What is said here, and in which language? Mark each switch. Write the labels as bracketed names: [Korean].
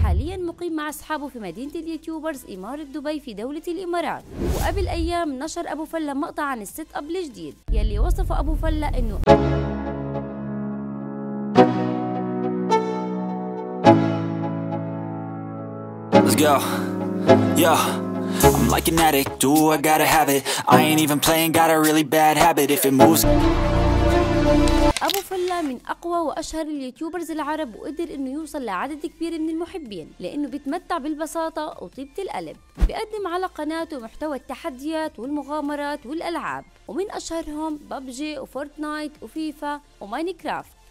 [Arabic] حاليا مقيم مع أصحابه في مدينة اليوتيوبرز إمارة دبي في دولة الإمارات. وقبل أيام نشر أبو فلا مقطع عن السيت أب الجديد يلي وصفه أبو فلا إنه Go. [English] Yo, I'm like an addict, do I gotta have it? I ain't even playing, got a really bad habit if it moves. [Arabic] أبو فلا من أقوى وأشهر اليوتيوبرز العرب، وقدر إنه يوصل لعدد كبير من المحبين لأنه بيتمتع بالبساطة وطيبة القلب. بيقدم على قناته محتوى التحديات والمغامرات والألعاب، ومن أشهرهم ببجي وفورتنايت وفيفا وماينكرافت.